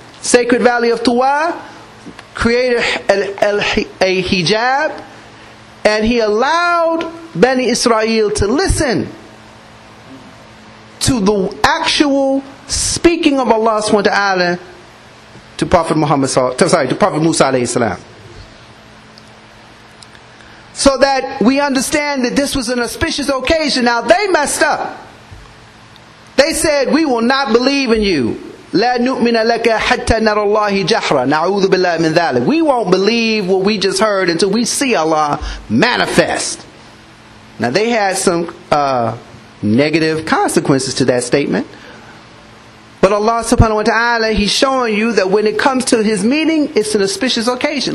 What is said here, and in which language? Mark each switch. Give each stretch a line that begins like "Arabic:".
English: Sacred Valley of Tuwa, created a hijab, and He allowed Bani Israel to listen to the actual speaking of Allah subhanahu wa ta'ala to Prophet Musa alayhi salam. So that we understand that this was an auspicious occasion. Now they messed up. They said, "We will not believe in you."
Arabic: لا نؤمن لك حتى نرى الله جحرا. نعوذ بالله من ذلك.
English: We won't believe what we just heard until we see Allah manifest. Now they had some negative consequences to that statement. But Allah subhanahu wa ta'ala, He's showing you that when it comes to His meaning, it's an auspicious occasion.